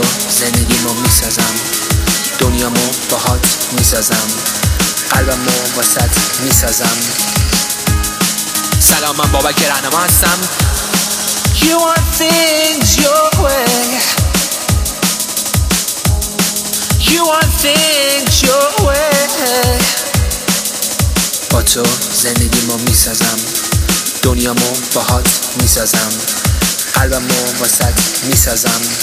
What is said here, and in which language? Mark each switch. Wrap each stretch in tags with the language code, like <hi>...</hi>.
<fa>زندگیمو میسازم، دنیامو باهات میسازم، قلبمو واسط میسازم. سلام، من بابک رهنما هستم.</fa> <en>You want things your way. You want things your way.</en> <fa>با تو زندگیمو میسازم، دنیامو باهات میسازم، قلبمو واسط میسازم.</fa>